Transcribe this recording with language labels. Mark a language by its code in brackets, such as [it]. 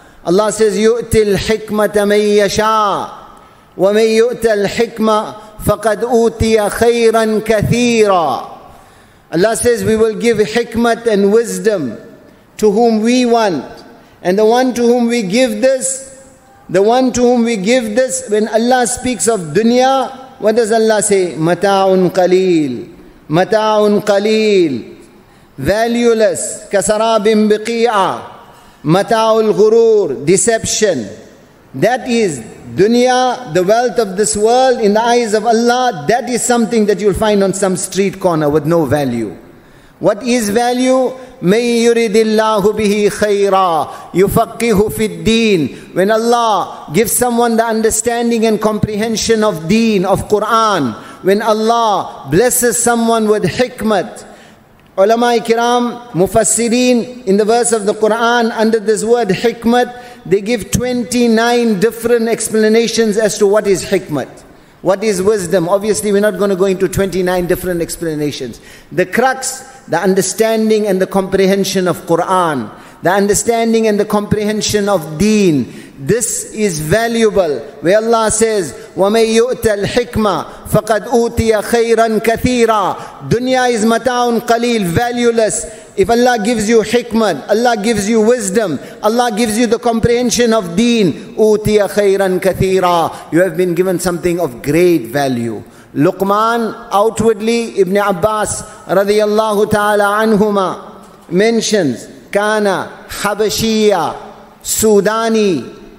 [en] Allah says, [ar] يُؤْتِ الْحِكْمَةَ مَنْ يَشَاءَ وَمَنْ يُؤْتَ الْحِكْمَةَ فَقَدْ أُوْتِيَ خَيْرًا كَثِيرًا. [en] Allah says, we will give hikmat and wisdom to whom we want. And the one to whom we give this, when Allah speaks of dunya, what does Allah say? [ar] مَتَاعٌ قَلِيلٌ مَتَاعٌ قَلِيلٌ valueless, كَسَرَابٍ بِقِيعًا مَتَاعُ الْغُرُورِ deception. [en] That is dunya, the wealth of this world in the eyes of Allah, that is something that you'll find on some street corner with no value. What is value? [ar] مَنْ يُرِدِ اللَّهُ بِهِ خَيْرًا يُفَقِّهُ فِي الدِّينِ. [en] When Allah gives someone the understanding and comprehension of deen, of Quran, when Allah blesses someone with hikmat, ulama-i-kiram, mufassireen, in the verse of the Quran, under this word hikmat, they give 29 different explanations as to what is hikmat. What is wisdom? Obviously, we're not going to go into 29 different explanations. The crux, the understanding and the comprehension of Quran, the understanding and the comprehension of deen, this is valuable. Where Allah says, [ar] وَمَنْ يُؤْتَ الْحِكْمَةِ فَقَدْ أُوْتِيَ خَيْرًا كَثِيرًا. [en] Dunya is mataun qaleel, valueless. If Allah gives you hikmah, Allah gives you wisdom, Allah gives you the comprehension of deen, [ar] أُوْتِيَ خَيْرًا كَثِيرًا. [en] You have been given something of great value. Luqman, outwardly, Ibn Abbas radiyallahu ta'ala anhuma mentions, [ar] كَانَ حَبَشِيَّا [en] Sudani.